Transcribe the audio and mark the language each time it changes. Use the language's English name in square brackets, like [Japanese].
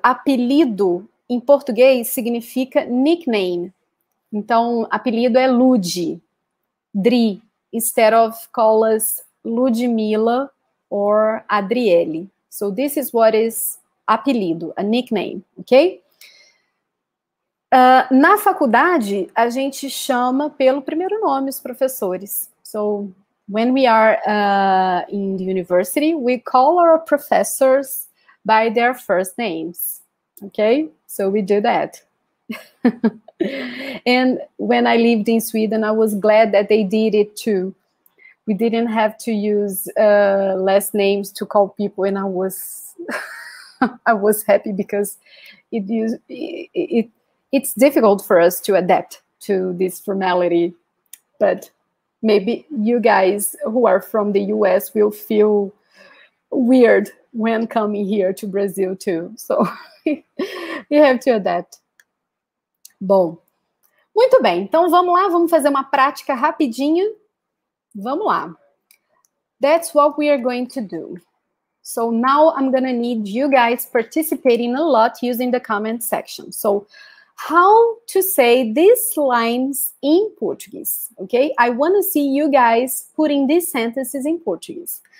[Portuguese] Apelido, em português, significa nickname. Então, apelido é Lud. Dri. [English] Instead of call us Ludmilla or Adriele. So this is what is apelido, a nickname, ok? [Portuguese] Na faculdade, a gente chama pelo primeiro nome os professores. [English] So when we are in the university, we call our professors by their first names, ok? So we do that. And when I lived in Sweden, I was glad that they did it too. We didn't have to use last names to call people, and I was I was happy because it's difficult for us to adapt to this formality. But maybe you guys who are from the US will feel weird when coming here to Brazil too. So we have to adapt. [Portuguese] Bom, muito bem, então vamos lá, vamos fazer uma prática rapidinha. Vamos lá. [English] That's what we are going to do. So now I'm going to need you guys participating a lot using the comment section. So how to say these lines in Portuguese, okay? I want to see you guys putting these sentences in Portuguese.